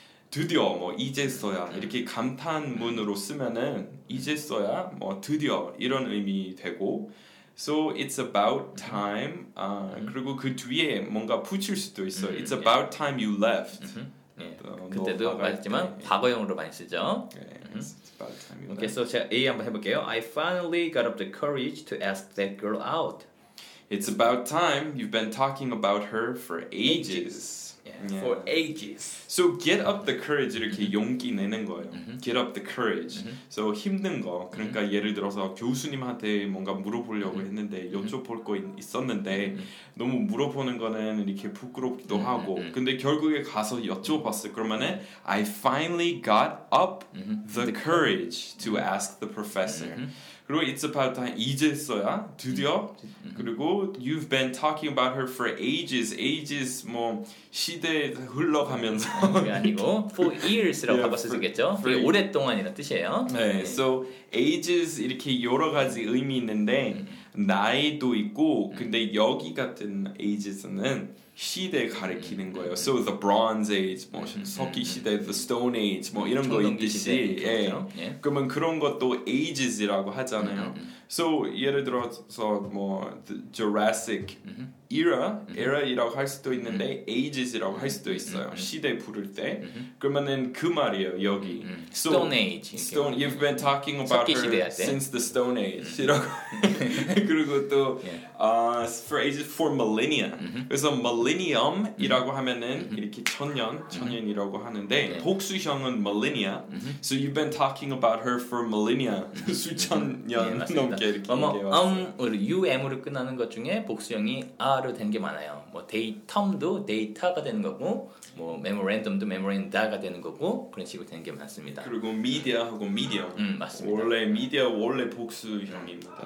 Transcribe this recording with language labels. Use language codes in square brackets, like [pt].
[ko] 드디어 뭐 이제서야 이렇게 감탄문으로 쓰면은 이제서야 뭐 드디어 이런 의미 되고 [en] So it's about time. [ko] 그리고 그 뒤에 뭔가 붙일 수도 있어. [en] It's about time you left. [ko] 그때도 말했지만 때, 과거형으로 많이 쓰죠. [en] Okay, so [ko] 제가 A 한번 해볼게요. [en] I finally got up the courage to ask that girl out. It's about time. You've been talking about her for ages. Yeah. For ages. So get up the courage [ko] 이렇게 용기 내는 거예요. [en] Get up the courage. [ko] So 힘든 거. 그러니까 예를 들어서 교수님한테 뭔가 물어보려고 했는데 여쭤볼 거 있었는데 너무 물어보는 거는 이렇게 부끄럽기도 하고 근데 결국에 가서 여쭤봤어요. 그러면은 [en] I finally got up the courage to ask the professor. [ko] 그리고 [en] it's about time, [ko] 이제서야, 드디어. 그리고 [en] you've been talking about her for ages, ages, [ko] 뭐, 시대 흘러가면서. 그게 아니고, [en] for years [ko] 라고 yeah, 바꿔서 쓰겠죠? 그게 years. 오랫동안이라는 뜻이에요. 네, 네, so ages 이렇게 여러 가지 의미 있는데, 나이도 있고, 근데 여기 같은 ages는 시대 가리키는 거예요. [en] So the Bronze Age, [ko] 뭐 석기 시대, [en] the Stone Age, [ko] 뭐 이런 거 있듯이. 예. 예. 그러면 그런 것도 ages이라고 하잖아요. So 예를 들어서 뭐 [en] the Jurassic era, [ko] era이라고 할 수도 있는데 ages이라고 할 수도 있어요. 시대 부를 때. 그러면은 그 말이에요 여기. [en] So, Stone Age. Stone. You've been talking about her since the Stone Age. [ko] 이라고. 그리고 또 [en] for ages for millennia. [ko] 그래서 millennium이라고 하면은 이렇게 천년, 천년이라고 하는데 복수형은 millennia. [en] So you've been talking about her for millennia. [ko] 수천 년 예, 넘게 이렇게 얘기해 왔어요. um으로 끝나는 것 중에 복수형이 r로 된 게 많아요. 뭐 datum도 data가 되는 거고 뭐 memorandum도 memoranda가 되는 거고 그런 식으로 되는 게 많습니다. 그리고 media하고 medium. 맞습니다. 원래 media 원래 복수형입니다.